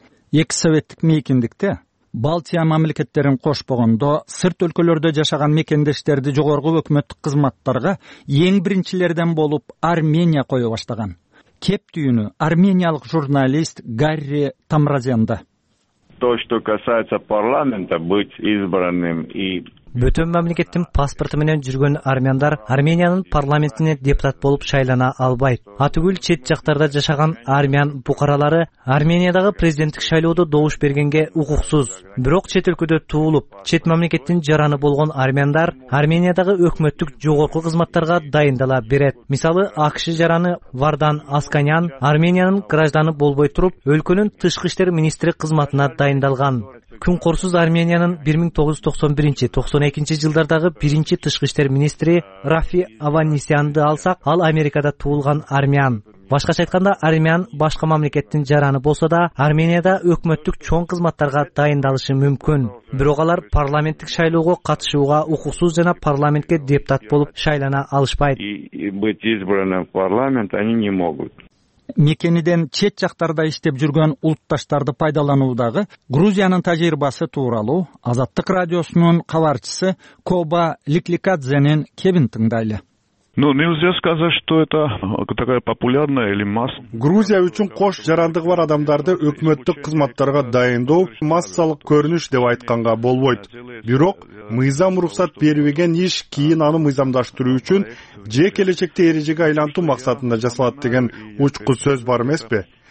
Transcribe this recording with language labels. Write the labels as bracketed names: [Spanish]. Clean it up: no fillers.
[Kyrgyz] Эки советтик мейкиндикте, Балтия мамлекеттерин кошпогондо, сырт өлкөлөрдө жашаган мекендештерди жогорку өкмөттүк кызматтарга эң биринчилерден болуп Армения кое баштаган. Кеп түйүнү армениялык журналист Гарри Тамразянда. [Russian] То, что касается парламента, быть избранным и... [Kyrgyz] Бүтүн мамлекеттин паспорту менен жүргөн армяндар Армениянын парламентине депутат болуп шайлана албайт. Атүгүл чет жактарда жашаган армян букаралары Армениядагы президенттик шайлоодо добуш бергенге укуксуз. Бирок чет өлкөдө туулуп, чет мамлекеттин жараны болгон армяндар Армениядагы өкмөттүк жогорку кызматтарга дайындала берет. Мисалы, АКШ жараны Вардан Асканян Армениянын гражданы болбой туруп, өлкөнүн тышкы иштер министри кызматына дайындалган. Күнкорсуз Армениянын 1991-92 жылдардагы биринчи тышкы иштер министри Рафи Аванисянды алсак, ал Америкада туулган армян. Башкача айтканда, армян башка мамлекеттин жараны болсо да, Арменияда өкмөттүк чоң кызматтарга дайындалышы мүмкүн. Бирок алар парламенттик шайлоого катышууга укуксуз жана парламентке депутат болуп шайлана алышпайт. [Russian] Быть избранным в парламент они не могут. [Kyrgyz] Мекениден чет жактарда иштеп жүргөн улутташтарды пайдалануудагы Грузиянын тажрыйбасы тууралуу Азаттык радиосунун кабарчысы Коба Ликликадзенин кебин тыңдайлы. [Russian] Ну, нельзя сказать, что это такая популярная или масса. [Kyrgyz] Грузия үчүн кош жарандыгы бар адамдарды өкмөттүк кызматтарга дайындоо массалык көрүнүш деп айтканга болбойт. Бирок мыйзам уруксат бербеген иш кийин аны мыйзамдаштыруу үчүн же келечекте эрежеге айлантуу максатында жасалат деген учкуч сөз бар эмеспи?